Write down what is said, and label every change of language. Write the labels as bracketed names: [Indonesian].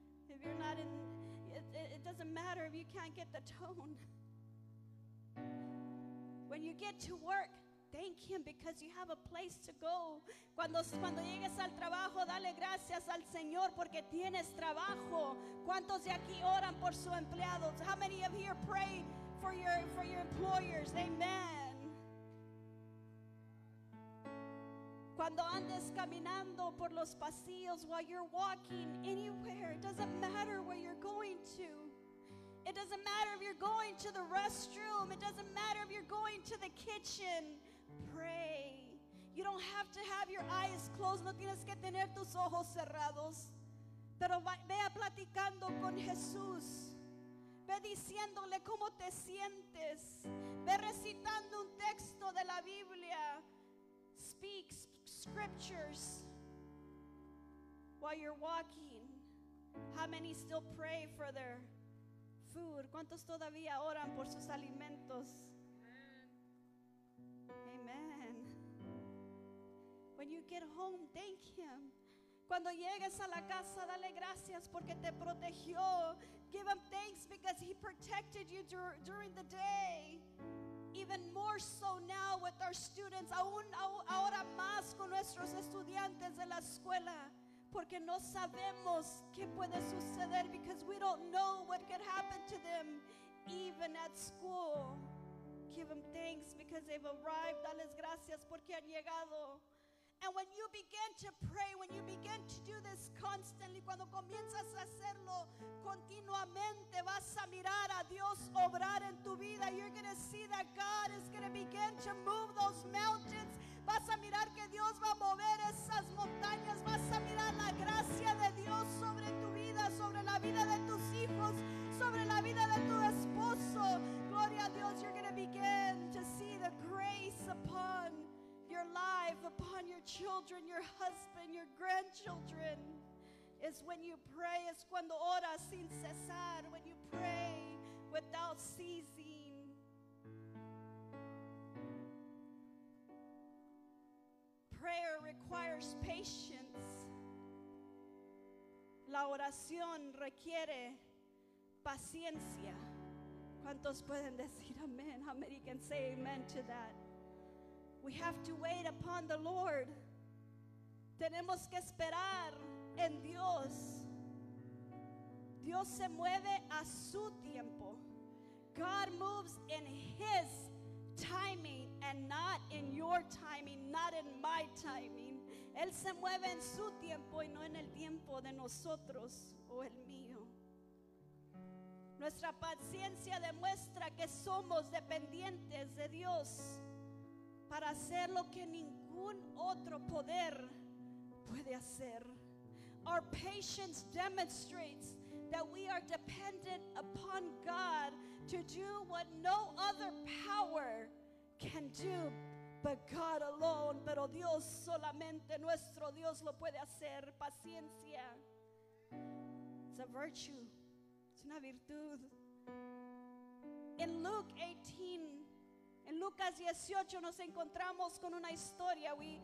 [English] If you're not in, it doesn't matter if you can't get the tone. When you get to work, thank Him because you have a place to go. [Spanish] Cuando llegues al trabajo, dale gracias al Señor porque tienes trabajo. ¿Cuántos de aquí oran por su empleado? [English] How many of you pray for your employers? Amen. [Spanish] Cuando andes caminando por los pasillos, [English] while you're walking anywhere, it doesn't matter where you're going to. It doesn't matter if you're going to the restroom. It doesn't matter if you're going to the kitchen. Pray. You don't have to have your eyes closed. [Spanish] No tienes que tener tus ojos cerrados. Pero vea platicando con Jesús. Ve diciéndole cómo te sientes. Ve recitando un texto de la Biblia. [English] Speak scriptures while you're walking. How many still pray for their food? [Spanish] ¿Cuántos todavía oran por sus alimentos? [English] Amen. When you get home, thank Him. [Spanish] Cuando llegues a la casa, dale gracias porque te protegió. [English] Give Him thanks because He protected you during the day. Even more so now with our students. [Spanish] Aún ahora más con nuestros estudiantes de la escuela. Porque no sabemos qué puede suceder. [English] Because we don't know what could happen to them even at school. Give them thanks because they've arrived. [Spanish] Dales gracias porque han llegado. [English] And when you begin to pray, when you begin to do this constantly, [Spanish] cuando comienzas a hacerlo continuamente, vas a mirar a Dios obrar en tu vida. [English] You're going to see that God is going to begin to move those mountains. [Spanish] Vas a mirar que Dios va a mover esas montañas. Vas a mirar la gracia de Dios sobre tu vida, sobre la vida de tus hijos, sobre la vida de tu esposo. Gloria a Dios, [English] you're going to begin to see the grace upon your life, upon your children, your husband, your grandchildren. It's when you pray, [Spanish] es cuando oras sin cesar, [English] when you pray without ceasing. Prayer requires patience. [Spanish] La oración requiere paciencia. ¿Cuántos pueden decir amén? [English] How many can say amen to that? We have to wait upon the Lord. [Spanish] Tenemos que esperar en Dios. Dios se mueve a su tiempo. [English] God moves in His timing and not in your timing, not in my timing. [Spanish] Él se mueve en su tiempo y no en el tiempo de nosotros o el mío. Nuestra paciencia demuestra que somos dependientes de Dios para hacer lo que ningún otro poder puede hacer. [English] Our patience demonstrates that we are dependent upon God to do what no other power can do but God alone. [Spanish] Pero Dios solamente, nuestro Dios lo puede hacer. [English] Paciencia. It's a virtue. It's [Spanish] una virtud. [English] In Luke 18, [Spanish] in Lucas 18, nos encontramos con una historia.